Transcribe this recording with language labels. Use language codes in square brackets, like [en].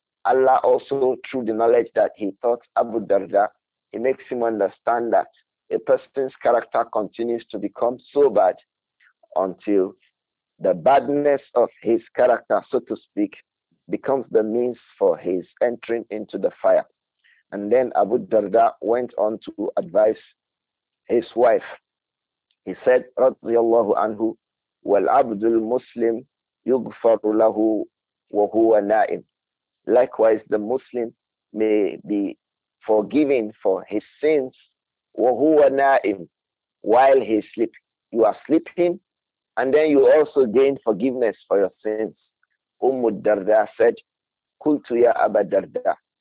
[en] Allah also, through the knowledge that he taught Abu Darda, he makes him understand that a person's character continues to become so bad until the badness of his character, so to speak, becomes the means for his entering into the fire. And then Abu Darda went on to advise his wife. He said, [ar] radiallahu anhu, والعبد المسلم يغفر له وهو نائم. [en] Likewise, the Muslim may be forgiven for his sins [ar] وهو نائم, [en] while he sleep. You are sleeping, and then you also gain forgiveness for your sins. Ummu Darda said, [ar] Kultu ya [en] Abu Darda.